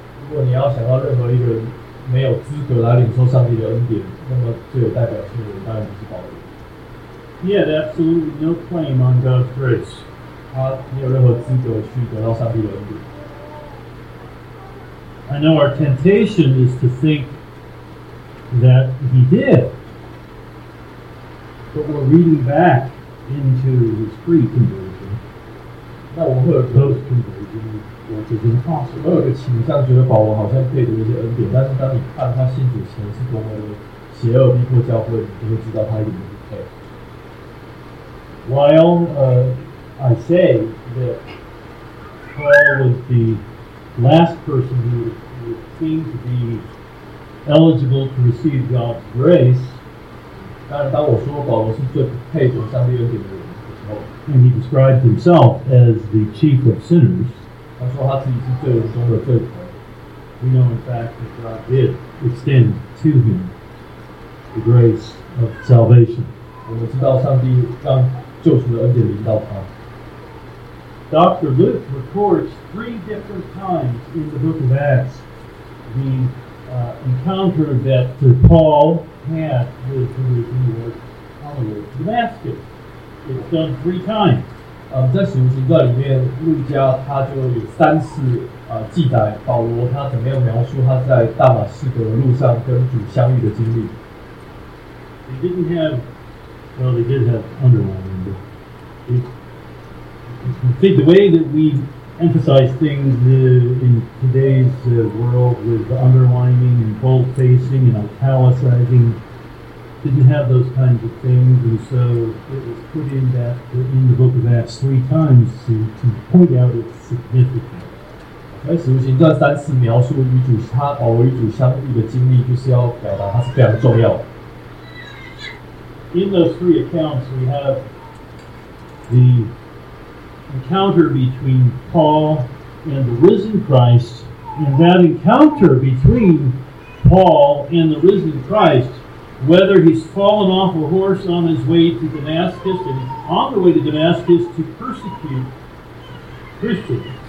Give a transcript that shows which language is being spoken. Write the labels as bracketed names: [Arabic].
[Chinese] 如果你要想到任何一个人没有资格来领受上帝的恩典，那么最有代表性的人当然就是保罗。 [English] He had absolutely no claim on God's grace. [Chinese] 他没有任何资格去得到上帝的恩典。 [English] I know our temptation is to think that he did, but we're reading back into his pre-conversion. [Chinese] 那我会有 [English] post conversion. [Chinese] 我觉得他所有的倾向，觉得保罗好像配得一些恩典，但是当你看他信主前是多么的邪恶逼迫教会，你就会知道他一定不配。 [English] While I say that Paul was the last person who would seem to be eligible to receive God's grace, [Chinese] 但当我说保罗是最不配得上帝恩典的人的时候 [English] ，and he described himself as the chief of sinners. [Chinese] 他说他自己是罪人中的罪魁。 [English] We know in fact that God did extend to him the grace of salvation. [Chinese] 我们知道上帝将救赎的恩典临到他。 [English] Dr. Luke records three different times in the book of Acts the encounter that Paul had with the Lord on the road to Damascus. It's done three times. [Chinese] 在《使徒行传》里面，路加他就有三次记载保罗他怎么样描述他在大马士革的路上跟主相遇的经历。 [English] He didn't have, well, he did have underlined. I think the way that we emphasize things in today's world with underlining and boldfacing and italicizing. Didn't have those kinds of things, and so it was put in that in the book of Acts three times to point out its significance. [Chinese] 使徒行传三次描述与主他保罗与主相遇的经历，就是要表达它是非常重要。 [English] In those three accounts, we have the encounter between Paul and the risen Christ, and that encounter between Paul and the risen Christ. Whether he's fallen off a horse on his way to Damascus and on the way to Damascus to persecute Christians.